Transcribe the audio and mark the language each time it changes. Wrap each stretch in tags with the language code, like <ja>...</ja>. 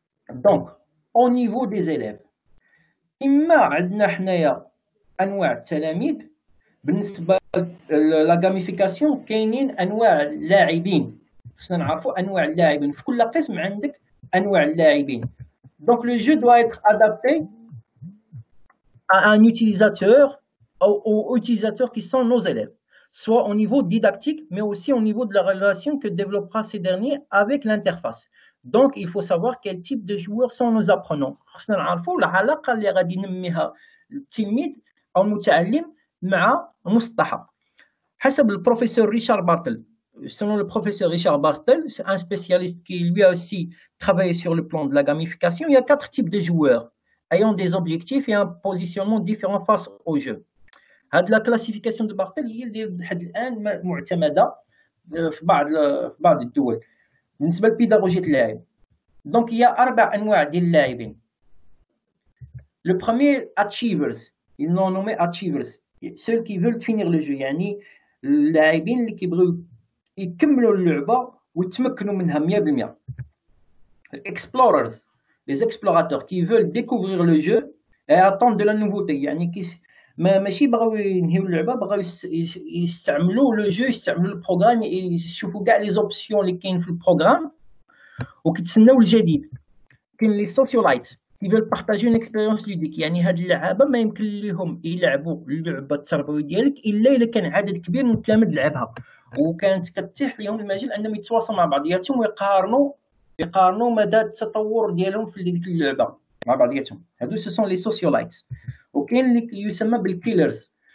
<fr>دونك او نيفو دي زيليف،</fr> <ar>إما عندنا حنايا أنواع التلاميذ بالنسبة لا غاميفيكاسيون، كاينين أنواع اللاعبين، خصنا نعرفوا أنواع اللاعبين في كل قسم، عندك أنواع اللاعبين.</ar> <fr>Donc le jeu doit être adapté à un utilisateur ou aux utilisateurs qui sont nos élèves, soit au niveau didactique, mais aussi au niveau de la relation que développera ces derniers avec l'interface. Donc il faut savoir quel type de joueurs sont nos apprenants.</fr> <ar>خصنا نعرفوا العلاقة اللي غادي ينميها التلميذ أو المتعلم مع المصطلح. حسب البروفيسور ريشارد بارتل،</ar> <fr>selon le professeur Richard Bartel, un spécialiste qui lui a aussi travaillé sur le plan de la gamification, il y a quatre types de joueurs ayant des objectifs et un positionnement différent face au jeu. La classification de Bartel il est</fr> <ar>معتمده في بعض الدول بالنسبه للبيداغوجيه اللاعب.</ar> <fr>Donc il y a</fr> <ar>اربع انواع ديال اللاعبين.</ar> <fr>Le premier achievers, ils l'ont nommé achievers, ceux qui veulent finir le jeu,</fr> <ar>يعني اللاعبين اللي كيبغيو يكملوا اللعبة ويتمكنوا منها 100%.</ar> <fr>Explorers, les explorateurs qui veulent découvrir le jeu et attendre de la nouveauté.</fr> <ar>يعني كي ماشي بغاو ينهيو اللعبة، بغاو يستعملوا</ar> <fr>لو جو،</fr> <ar>يستعملوا البروغرام، يشوفوا كاع لي زوبسيون اللي كاين في البروغرام وكيتسناو الجديد. كاين لي سوسيولايت</ar> <fr>كي فيل بارطاجي اون اكسبيريونس لوديك،</fr> <ar>يعني هاد اللعابة ما يمكن ليهم يلعبوا اللعبة التربوية ديالك الا اذا كان عدد كبير من التلاميذ لعبها وكانت كتتيح ليهم المجال انهم يتواصلوا مع بعضياتهم ويقارنوا مدى التطور ديالهم في ديك اللعبه مع بعضياتهم. هادو</ar> <fr>سو سون لي سوسيولايت.</fr> <ar>وكاين اللي يسمى بالكيلرز،</ar>